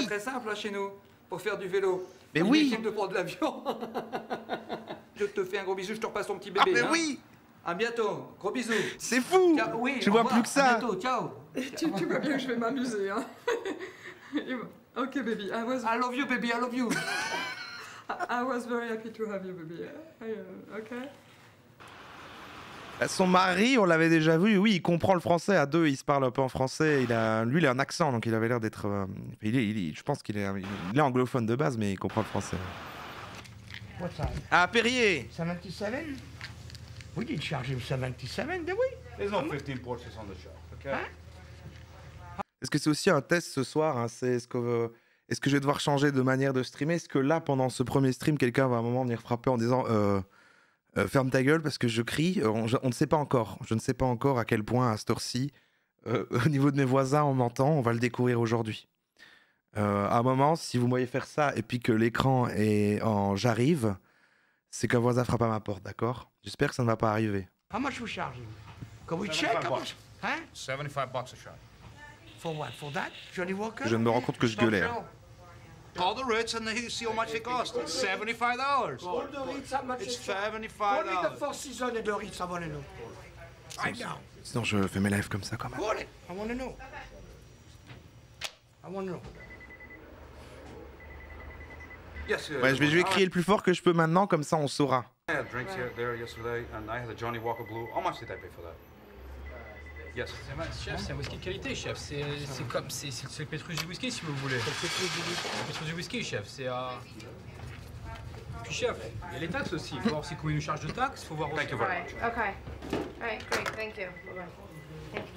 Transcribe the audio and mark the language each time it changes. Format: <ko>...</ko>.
<fr>C'est très simple, là, chez nous, pour faire du vélo. Mais oui. Il est de prendre l'avion. Je te fais un gros bisou, je te repasse ton petit bébé. Ah, mais hein. Oui. À bientôt, gros bisous. C'est fou. Ciao. Oui, je vois plus que ça. À bientôt, ciao. Tu vois bien que je vais m'amuser, hein.</fr> <en>Ok, baby. I love you, baby. I was very happy to have you, baby. Okay.</en> <fr>Son mari, on l'avait déjà vu. Oui, il comprend le français. À deux, il se parle un peu en français. Lui, il a un accent, donc il avait l'air d'être. Je pense qu'il est. Il est anglophone de base, mais il comprend le français.</fr> <en>What's that? Ah, Perrier. 77. We did charge him 77, did we? There's not 15 porches on the show. Okay. Huh?</en> <fr>Est-ce que c'est aussi un test ce soir, hein? Est-ce que je vais devoir changer de manière de streamer? Est-ce que là, pendant ce premier stream, quelqu'un va à un moment venir frapper en disant « Ferme ta gueule parce que je crie ». On ne sait pas encore. Je ne sais pas encore à quel point, à cette heure-ci, au niveau de mes voisins, on m'entend. On va le découvrir aujourd'hui. À un moment, si vous me voyez faire ça et puis que l'écran est en « j'arrive », c'est qu'un voisin frappe à ma porte, d'accord? J'espère que ça ne va pas arriver.</fr> <en>How much</en> <fr>vous chargez?</fr> <en>Can we check? 75 bucks a shot. For what? For that? Johnny Walker?</en> <fr>Je ne me rends compte que je gueulais.</fr> <en>Call the Ritz and see how much it costs. $75. Call the Ritz, how much it's $75. Call the Four Seasons and the Ritz, I want to know. Right now.</en> <fr>Sinon, je fais mes lives comme ça quand même.</fr> <en>Call it. I want to know. Yes, sir.</en> <fr>Ouais, je vais crier le plus fort que je peux maintenant, comme ça on saura.</fr> <en>I had drinks here, there yesterday, and I had a Johnny Walker Blue. How much did I pay for that? Yes.</en> <fr>Chef, c'est un whisky de qualité, chef. C'est le Pétrus du whisky, si vous voulez. Le Pétrus du whisky, chef. Puis chef, il y a les taxes aussi. Il faut voir aussi combien il nous charge de taxes. Il faut voir aussi.</fr> <en>Thank you very much. Okay. All right, great. Thank you. Bye-bye.</en>